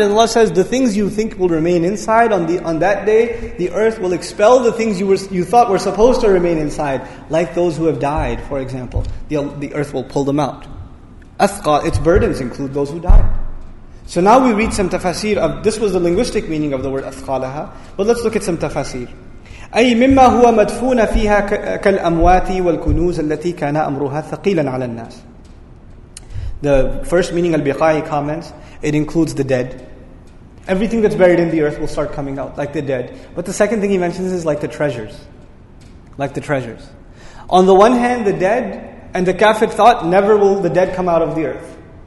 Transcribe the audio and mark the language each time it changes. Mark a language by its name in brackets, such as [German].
[English] And Allah says, the things you think will remain inside, on that day, the earth will expel the things you thought were supposed to remain inside. Like those who have died, for example. The earth will pull them out. Athqal, its burdens include those who died. So now we read some tafasir of, this was the linguistic meaning of the word athqalaha, but let's look at some tafasir. [Arabic] أي مما هو مدفون فيها كالأموات والكنوز التي كان أمرها ثقيلا على الناس. [English] The first meaning, Al-Biqai comments, it includes the dead. Everything that's buried in the earth will start coming out, like the dead. But the second thing he mentions is like the treasures. Like the treasures. On the one hand, the dead, and the kafir thought, never will the dead come out of the earth.